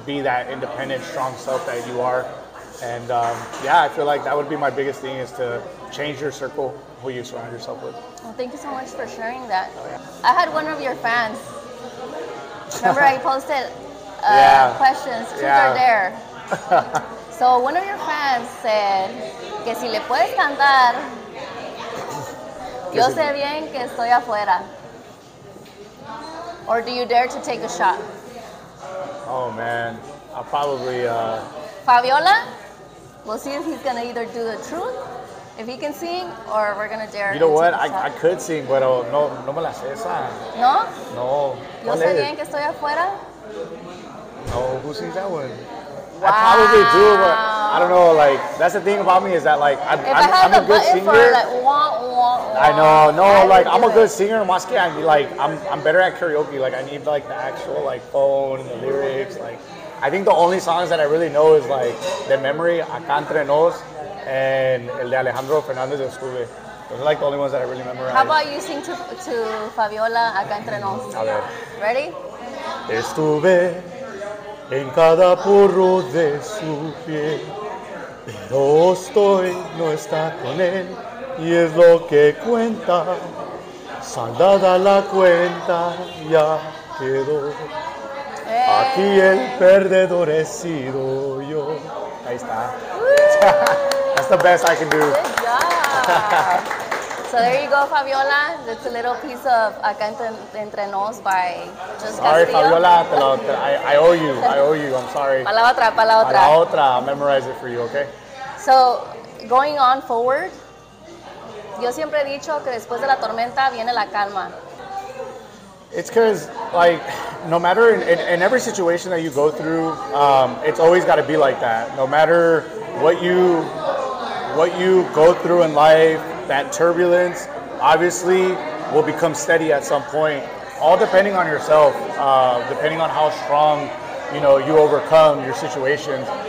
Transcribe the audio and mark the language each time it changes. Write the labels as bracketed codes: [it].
[en] be that independent, strong self that you are. And yeah, I feel like that would be my biggest thing, is to change your circle, who you surround yourself with. Well, thank you so much for sharing that. Oh, yeah. I had one of your fans. Remember I posted questions? Truth or Dare. [es] So one of your fans said, que si le puedes cantar, yo sé bien que estoy afuera. [en] Or do you dare to take a shot? Oh, man. I'll probably... Fabiola, we'll see if he's going to either do the truth, if he can sing, or we're going to dare. You know what? I could sing, but no me la sé esa. No? No. [es] Yo sé bien que estoy afuera. [en] No, who sings that one? Wow. I probably do, but I don't know. Like, that's the thing about me, is that like I'm a good singer. For, like, wah. I know, no, I like I'm a good singer. Maske, I mean, like I'm better at karaoke. Like, I need like the actual like phone and the lyrics. Like, I think the only songs that I really know is like "De Memory," "Acá Entre Nos," and "El de Alejandro Fernández Escube." Those are like the only ones that I really memorize. How about you sing to Fabiola "Acá Entre Nos"? Okay. Ready? [es] Estuve en cada porro de su piel, pero estoy, no está con él, y es lo que cuenta, saldada la cuenta, ya quedó, hey. Aquí el perdedor he sido yo. [en] Ahí está. That's the best I can do. Good job. So there you go, Fabiola. That's a little piece of Acá Entre Nos by JustCastillo. Sorry, Fabiola. I owe you. I owe you. I'm sorry. [es] Pa la otra. Pa la otra. [en] I'll memorize it for you, okay? [es] So going on forward, yo siempre he dicho que después de la tormenta viene la calma. [en] It's because, like, no matter in every situation that you go through, it's always got to be like that. No matter what you go through in life, that turbulence obviously will become steady at some point, all depending on yourself, depending on how strong, you know, you overcome your situations.